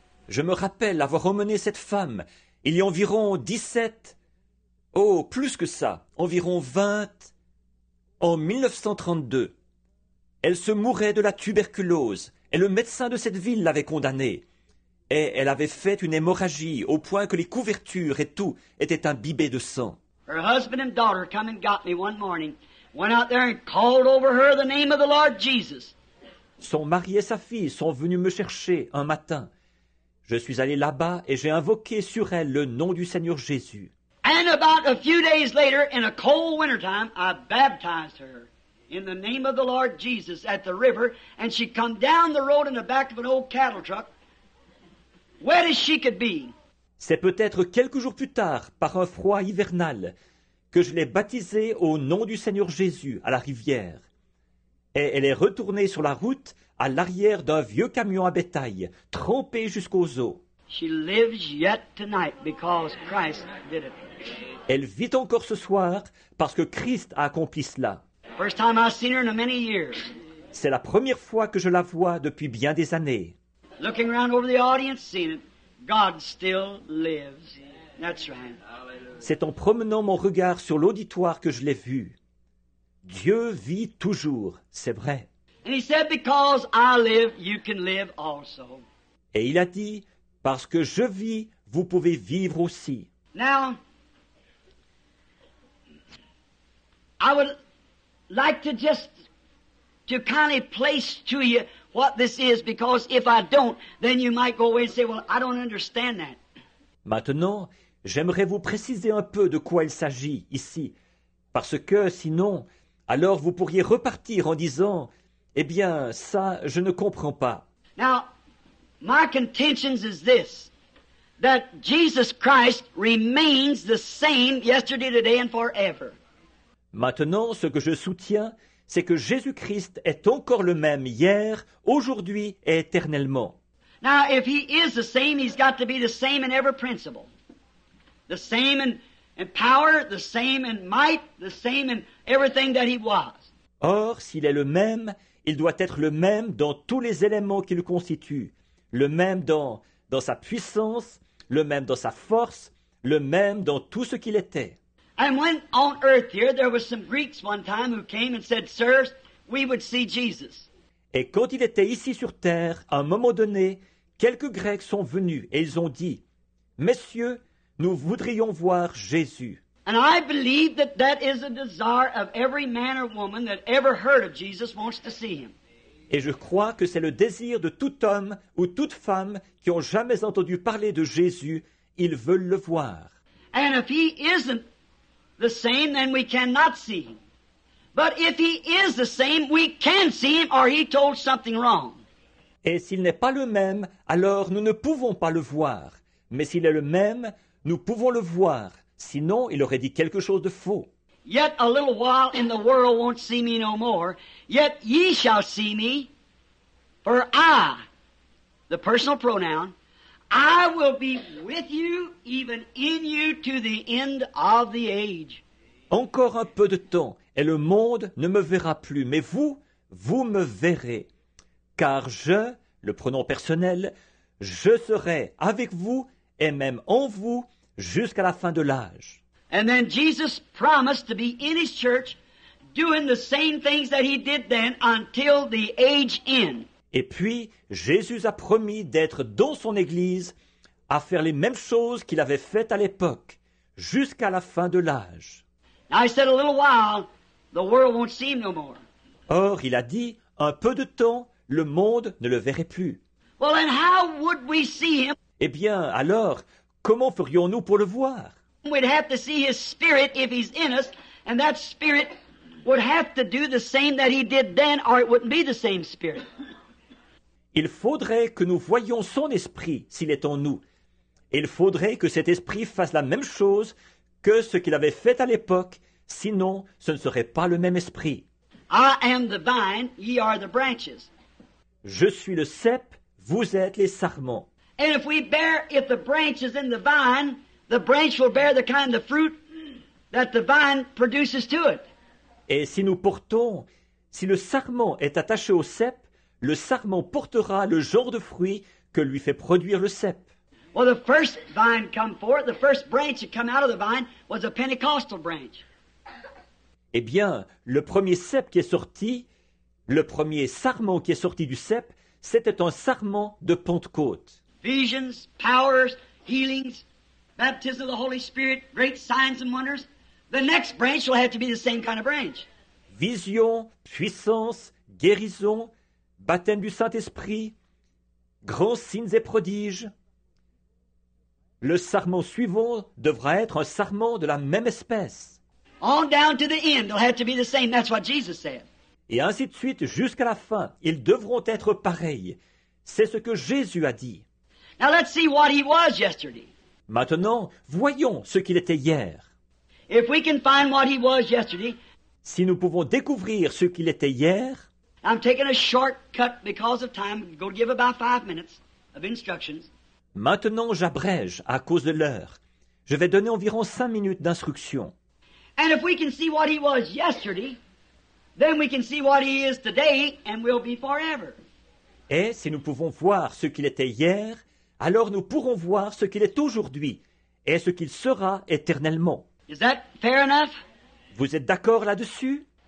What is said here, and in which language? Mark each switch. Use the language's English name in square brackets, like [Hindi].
[French] Je me rappelle avoir emmené cette femme il y a environ 17, oh plus que ça, environ 20, en 1932. Elle se mourait de la tuberculose et le médecin de cette ville l'avait condamnée. Et elle avait fait une hémorragie au point que les couvertures et tout étaient imbibés de sang. [English] Her husband and daughter come and got me one morning, went out there and called over her the name of the Lord Jesus. [French] Son mari et sa fille sont venus me chercher un matin. Je suis allé là-bas et j'ai invoqué sur elle le nom du Seigneur Jésus. [English] And about a few days later, in a cold winter time, I baptized her in the name of the Lord Jesus at the river, and she come down the road in the back of an old cattle truck, wet as she could be. [French] C'est peut-être quelques jours plus tard, par un froid hivernal, que je l'ai baptisée au nom du Seigneur Jésus à la rivière. Et elle est retournée sur la route à l'arrière d'un vieux camion à bétail, trempée jusqu'aux os. [English] She lives yet tonight because Christ did it. [French] Elle vit encore ce soir parce que Christ a accompli cela. [English] First time I've seen her in many years. [French] C'est la première fois que je la vois depuis bien des années. [English] Looking around over the audience, seeing it, God still lives. That's right. [French] C'est en promenant mon regard sur l'auditoire que je l'ai vu. Dieu vit toujours, c'est vrai. [English] And he said, because I live, you can live also. [French] Et il a dit, parce que je vis, vous pouvez vivre aussi. [English] Now, I would like to just to kindly place to you what this is, because if I don't, then you might go away and say, well, I don't understand that. [French] Maintenant, j'aimerais vous préciser un peu de quoi il s'agit ici, parce que sinon, alors vous pourriez repartir en disant, eh bien, ça, je ne comprends pas. [English] Now, my contention is this, that Jesus Christ remains the same yesterday, today, and forever. [French] Maintenant, ce que je soutiens, c'est que Jésus-Christ est encore le même hier, aujourd'hui et éternellement. [English] Now, if he is the same, he's got to be the same in every principle. The same in power, the same in might, the same in everything that he was. [French] Or, s'il est le même, il doit être le même dans tous les éléments qu'il constitue. Le même dans sa puissance, le même dans sa force, le même dans tout ce qu'il était. [English] And when on earth here, there were some Greeks one time who came and said, "Sirs, we would see Jesus." [French] Et quand il était ici sur terre, à un moment donné, quelques Grecs sont venus et ils ont dit, "Messieurs, nous voudrions voir Jésus." [English] And I believe that that is a desire of every man or woman that ever heard of Jesus wants to see him. [French] Et je crois que c'est le désir de tout homme ou toute femme qui ont jamais entendu parler de Jésus, ils veulent le voir. [English] And if he isn't the same, then we cannot see him. But if he is the same, we can see him, or he told something wrong. [French] Et s'il n'est pas le même, alors nous ne pouvons pas le voir. Mais s'il est le même, nous pouvons le voir. Sinon, il aurait dit quelque chose de faux. [English] Yet a little while in the world won't see me no more. Yet ye shall see me, for I, the personal pronoun, I will be with you, even in you, to the end of the age. [French] Encore un peu de temps, et le monde ne me verra plus, mais vous, vous me verrez. Car je, le pronom personnel, je serai avec vous, et même en vous, jusqu'à la fin de l'âge. [English] And then Jesus promised to be in his church, doing the same things that he did then, until the age end. [French] Et puis, Jésus a promis d'être dans son Église à faire les mêmes choses qu'il avait faites à l'époque, jusqu'à la fin de l'âge. [English] I said a little while, the world won't see him no more. [French] Or, il a dit, un peu de temps, le monde ne le verrait plus. [English] Well, then how would we see him? [French] Eh bien, alors, comment ferions-nous pour le voir? [English] We'd have to see his spirit if he's in us, and that spirit would have to do the same that he did then, or it wouldn't be the same spirit. [French] Il faudrait que nous voyions son esprit s'il est en nous. Il faudrait que cet esprit fasse la même chose que ce qu'il avait fait à l'époque, sinon ce ne serait pas le même esprit. [English] I am the vine, ye are the branches. [French] Je suis le cep, vous êtes les sarments. [English] And if the branch is in the vine, the branch will bear the kind of fruit that the vine produces to it. [French] Et si nous portons, si le sarment est attaché au cep, le sarment portera le genre de fruit que lui fait produire le cep. [English] Well, the first vine come forth, the first branch that come out of the vine was a Pentecostal branch. [French] Eh bien, le premier cep qui est sorti, le premier sarment qui est sorti du cep, c'était un sarment de Pentecôte. [English] Visions, powers, healings, baptism of the Holy Spirit, great signs and wonders. The next branch will have to be the same kind of branch. [French] Vision, puissance, guérison, baptême du Saint-Esprit, grands signes et prodiges. Le sarment suivant devra être un sarment de la même espèce. [English] On down to the end, they'll have to be the same. That's what Jesus said. [French] Et ainsi de suite, jusqu'à la fin, ils devront être pareils. C'est ce que Jésus a dit. [English] Now let's see what he was yesterday. [French] Maintenant, voyons ce qu'il était hier. [English] If we can find what he was yesterday, [French] si nous pouvons découvrir ce qu'il était hier, [English] I'm taking a shortcut because of time. I'm going to give about 5 minutes of instructions. [French] Maintenant, j'abrège à cause de l'heure. Je vais donner environ 5 minutes d'instructions. [English] And if we can see what he was yesterday, then we can see what he is today and will be forever. [French] Et si nous pouvons voir ce qu'il était hier, alors nous pourrons voir ce qu'il est aujourd'hui et ce qu'il sera éternellement. [English] Is that fair enough? [French] Vous êtes d'accord là-dessus?